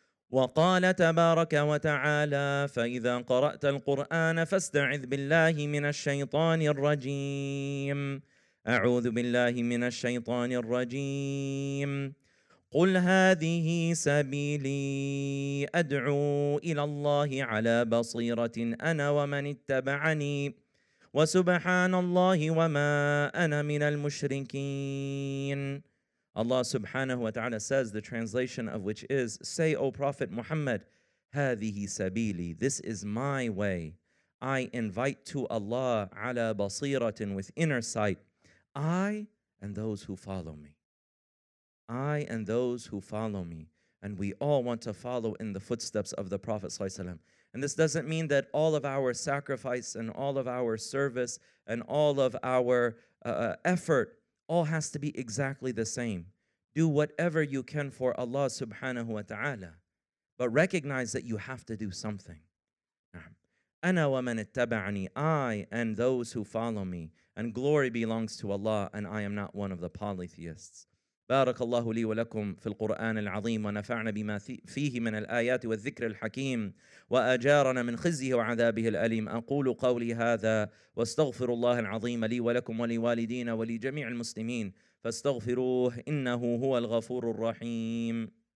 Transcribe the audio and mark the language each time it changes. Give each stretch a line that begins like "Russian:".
Arabic: وقال تبارك وتعالى فإذا قرأت القرآن فاستعذ بالله من الشيطان الرجيم أعوذ بالله من الشيطان الرجيم قل هذه سبيلي أدعو إلى الله على بصيرة أنا ومن اتبعني وسبحان الله وما أنا من المشركين.
English: Allah subhanahu wa ta'ala says, the translation of which is, say, O Prophet Muhammad,
Arabic: هذه سبيلي,
English: this is my way. I invite to Allah ala basiratin, with inner sight, I and those who follow me. I and those who follow me. And we all want to follow in the footsteps of the Prophet sallallahu alayhi wa sallam. And this doesn't mean that all of our sacrifice and all of our service and all of our effort all has to be exactly the same. Do whatever you can for Allah subhanahu wa ta'ala. But recognize that you have to do something.
Arabic: أنا ومن اتبعني,
English: I and those who follow me. And glory belongs to Allah, and I am not one of the polytheists.
Arabic: بارك الله لي ولكم في القرآن العظيم ونفعنا بما فيه من الآيات والذكر الحكيم وأجارنا من خزيه وعذابه الأليم. أقول قولي هذا واستغفر الله العظيم لي ولكم ولوالدينا ولجميع المسلمين فاستغفروه إنه هو الغفور الرحيم.